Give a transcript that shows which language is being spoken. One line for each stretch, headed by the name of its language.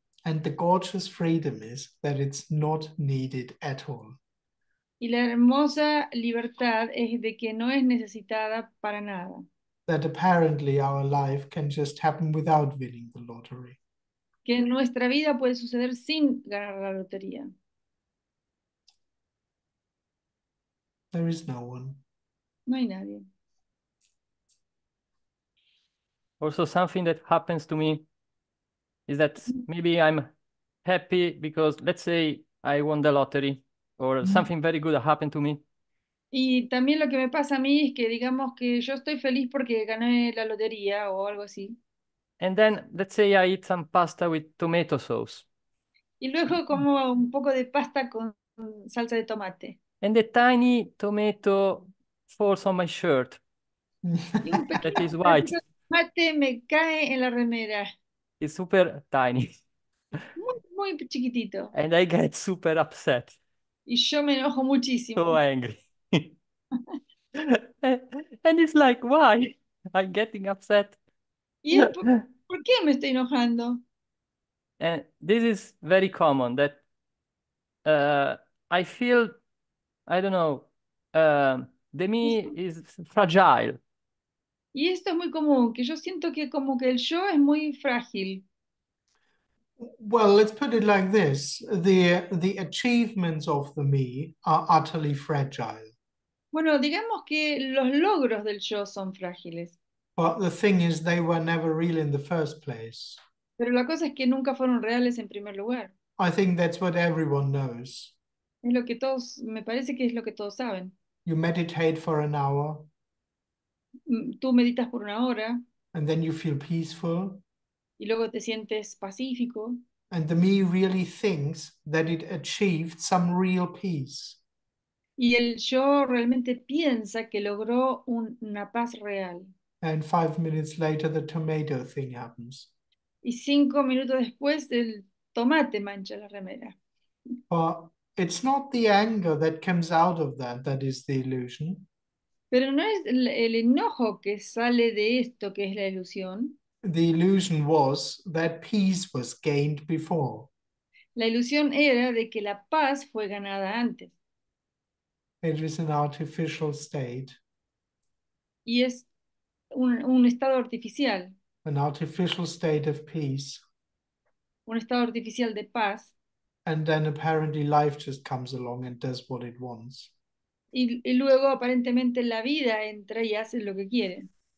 English: And the gorgeous freedom is that it's not needed at all.
Spanish: Y la hermosa libertad es de que no es necesitada para nada.
English: That apparently our life can just happen without winning the lottery.
Spanish: Que nuestra vida puede suceder sin ganar la lotería.
English: There is no one.
Spanish: No hay nadie.
English: Also, something that happens to me is that maybe I'm happy because, let's say, I won the lottery or something very good happened to me.
Spanish: Y también lo que me pasa a mí es que digamos que yo estoy feliz porque gané la lotería o algo así.
English: And then, let's say, I eat some pasta with tomato sauce.
Spanish: Y luego como un poco de pasta con salsa de tomate.
English: And the tiny tomato falls on my shirt.
Spanish: Y un pequeño
English: That is
Spanish: pedazo
English: white.
Spanish: de tomate me cae en la remera.
English: It's super tiny.
Spanish: Muy, muy chiquitito.
English: And I get super upset.
Spanish: Y yo me enojo
English: So
Spanish: muchísimo.
English: angry. And it's like, why? I'm getting upset.
Spanish: Y es ¿por qué me estoy enojando?
English: And this is very common that I feel. I don't know. The me is fragile.
Spanish: Y esto es muy común, que yo siento que como que el yo es muy frágil.
English: Well, let's put it like this. The achievements of the me are utterly fragile.
Spanish: Bueno, digamos que los logros del yo son frágiles.
English: But the thing is, they were never real in the first place.
Spanish: Pero la cosa es que nunca fueron reales en primer lugar.
English: I think that's what everyone knows.
Spanish: Es lo que todos, me parece que es lo que todos saben.
English: You meditate for an hour,
Spanish: Tú meditas por una hora
English: and then you feel peaceful,
Spanish: y luego te sientes pacífico.
English: and the me really thinks that it achieved some real peace.
Spanish: Y el yo realmente piensa que logró una paz real.
English: And 5 minutes later, the tomato thing happens.
Spanish: Y 5 minutos después, el tomate mancha la remera.
English: But it's not the anger that comes out of that is the illusion.
Spanish: Pero no es el enojo que sale de esto que es la ilusión.
English: The illusion was that peace was gained before.
Spanish: La ilusión era de que la paz fue ganada antes.
English: It was an artificial state.
Spanish: Y es un estado artificial.
English: An artificial state of peace.
Spanish: Un estado artificial de paz.
English: And then apparently life just comes along and does what it wants.
Spanish: Y luego aparentemente la vida entra y hace lo que quiere.